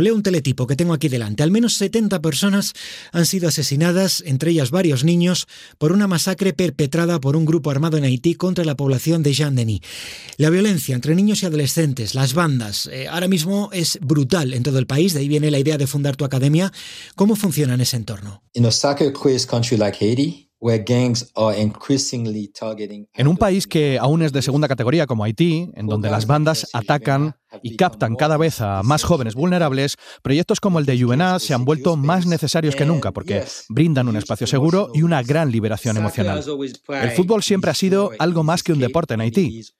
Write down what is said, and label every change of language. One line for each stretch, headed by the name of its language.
Spanish: Leo un teletipo que tengo aquí delante. Al menos 70 personas han sido asesinadas, entre ellas varios niños, por una masacre perpetrada por un grupo armado en Haití contra la población de Jean-Denis. La violencia entre niños y adolescentes, las bandas, ahora mismo es brutal en todo el país. De ahí viene la idea de fundar tu academia. ¿Cómo funciona en ese entorno?
English: In a soccer-crazed country like Haiti, where gangs are increasingly targeting...
Spanish: En un país que aún es de segunda categoría como Haití, en donde las bandas atacan y captan cada vez a más jóvenes vulnerables, proyectos como el de UNA se han vuelto más necesarios que nunca porque brindan un espacio seguro y una gran liberación emocional. El fútbol siempre ha sido algo más que un deporte en Haití.